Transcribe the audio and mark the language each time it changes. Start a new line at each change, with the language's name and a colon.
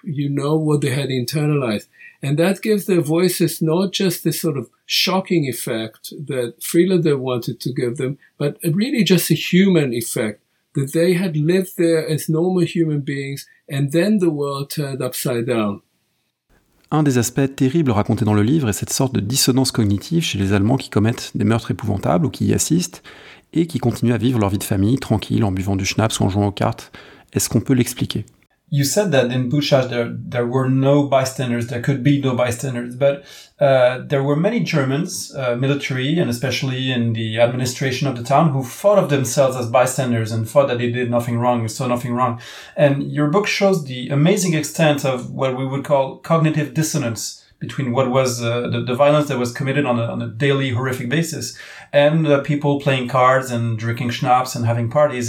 English: You know what they had internalized. And that gives their voices not just this sort of shocking effect that Freeloader wanted to give them, but really just a human effect that they had lived there as normal human beings, and then the world turned upside down.
French: Un des aspects terribles racontés dans le livre est cette sorte de dissonance cognitive chez les Allemands qui commettent des meurtres épouvantables ou qui y assistent et qui continuent à vivre leur vie de famille tranquille en buvant du schnapps ou en jouant aux cartes. Est-ce qu'on peut l'expliquer?
English: You said that in Buchach there were no bystanders, there could be no bystanders, but there were many Germans, military and especially in the administration of the town, who thought of themselves as bystanders and thought that they did nothing wrong, saw nothing wrong. And your book shows the amazing extent of what we would call cognitive dissonance between what was the violence that was committed on a daily horrific basis and people playing cards and drinking schnapps and having parties.